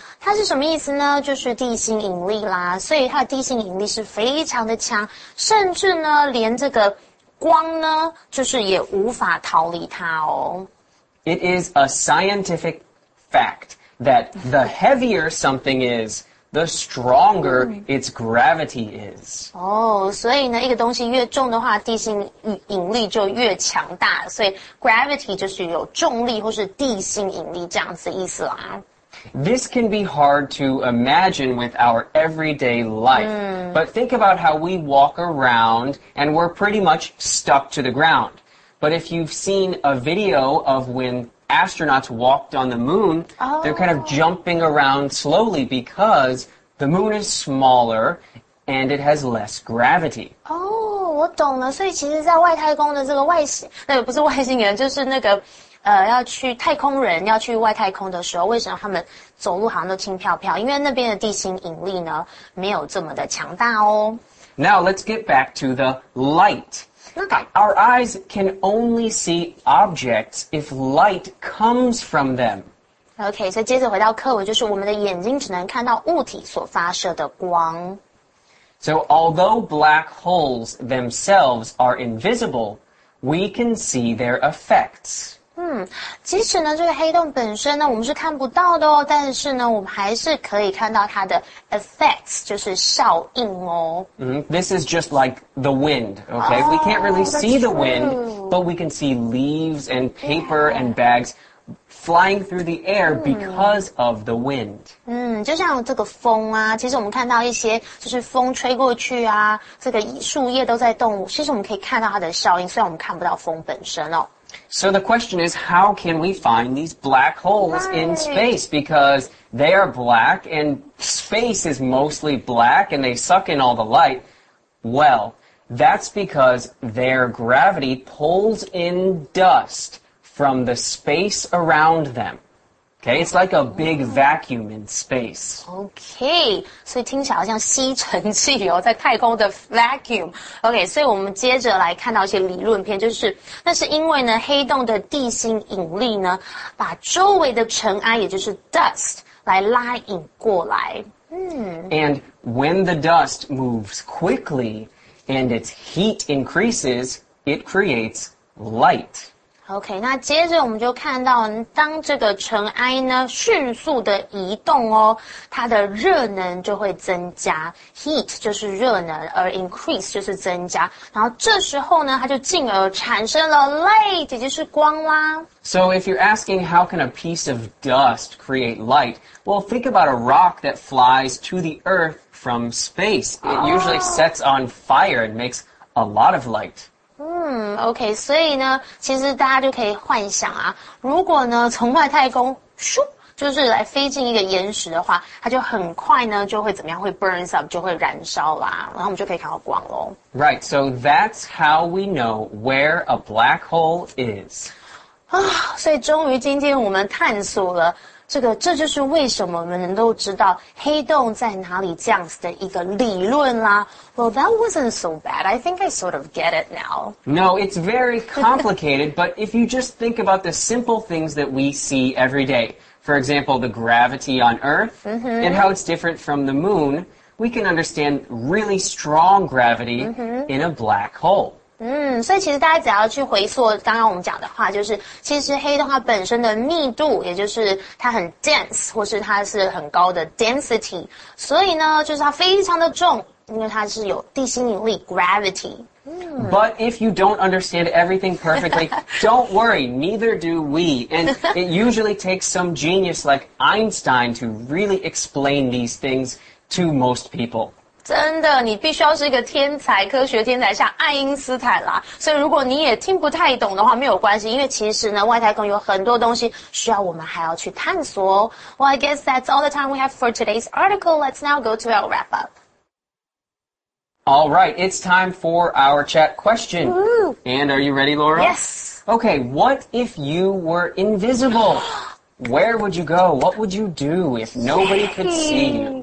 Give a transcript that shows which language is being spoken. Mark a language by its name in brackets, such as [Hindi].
[Chinese] 它是什么意思呢就是地心引力啦所以它的地心引力是非常的强甚至呢连这个光呢就是也无法逃离它哦。 [English] It is a scientific fact that the heavier something is, the stronger its gravity is. [Chinese] 哦、oh, 所以呢一个东西越重的话地心引力就越强大所以 gravity 就是有重力或是地心引力这样子的意思啦。 [English] This can be hard to imagine with our everyday life. Mm. But think about how we walk around and we're pretty much stuck to the ground. But if you've seen a video of when astronauts walked on the moon, oh. they're kind of jumping around slowly because the moon is smaller and it has less gravity. [Chinese] Oh, 我懂了。所以其实在外太空的这个外星，不是外星人，就是那个要去太空人要去外太空的时候为什么他们走路好像都轻飘飘因为那边的地心引力呢没有这么的强大哦。 [English] Now let's get back to the light. Okay. Our eyes can only see objects if light comes from them. [Chinese] Okay, 所以接着回到课文就是我们的眼睛只能看到物体所发射的光。 [English] So although black holes themselves are invisible, we can see their effects. [Chinese] 即使呢，这个黑洞本身呢，我们是看不到的哦，但是呢，我们还是可以看到它的 effects，就是效应哦。 [English] This is just like the wind, okay? We can't really Oh, that's see the wind, but true. we can see leaves and paper and Yeah. bags flying through the air because of the wind. [Chinese] 就像这个风啊，其实我们看到一些，就是风吹过去啊，这个树叶都在动，其实我们可以看到它的效应，虽然我们看不到风本身哦。 [English] So the question is, how can we find these black holes in Right. space? Because they are black and space is mostly black and they suck in all the light. Well, that's because their gravity pulls in dust from the space around them. Okay, it's like a big vacuum in space. [Chinese] Okay，所以听起来好像吸尘器哦，在太空的 vacuum。 Okay，所以我们接着来看到一些理论篇，就是那是因为呢，黑洞的地心引力呢，把周围的尘埃，也就是 dust，来拉引过来。 [English] And when the dust moves quickly and its heat increases, it creates light. [Chinese] OK，那接着我们就看到，当这个尘埃呢迅速的移动哦，它的热能就会增加，heat 就是热能，而 increase 就是增加，然后这时候呢，它就进而产生了 light，也就是光啦。 [English] So if you're asking how can a piece of dust create light, well, think about a rock that flies to the earth from space. It usually sets on fire and makes a lot of light. [Chinese] OK，所以呢，其实大家就可以幻想啊，如果呢从外太空咻，就是来飞进一个岩石的话，它就很快呢就会怎么样，会 [English] burns up， [Chinese] 就会燃烧啦，然后我们就可以看到光喽。 [English] Right, so that's how we know where a black hole is. [Chinese] 所以终于今天我们探索了这就是为什么我们能够知道黑洞在哪里这样子的一个理论啦。 [English] Well, that wasn't so bad. I think I sort of get it now. No, it's very complicated, but if you just think about the simple things that we see every day, for example, the gravity on Earth and how it's different from the moon, we can understand really strong gravity in a black hole. [Chinese] 所以其实大家只要去回溯刚刚我们讲的话，就是其实黑洞它本身的密度，也就是它很 dense，或是它是很高的 density，所以呢，就是它非常的重，因为它是有地心引力 gravity。 [English] But if you don't understand everything perfectly, don't worry, neither do we. And it usually takes some genius like Einstein to really explain these things to most people. [Chinese] 真的，你必须要是一个天才，科学天才，像爱因斯坦啦。所以，如果你也听不太懂的话，没有关系，因为其实呢，外太空有很多东西需要我们还要去探索哦。 [English] Well, I guess that's all the time we have for today's article. Let's now go to our wrap up. All right, it's time for our chat question. Woo! And are you ready, Laurel? Yes. Okay, what if you were invisible? Where would you go? What would you do if nobody could see you?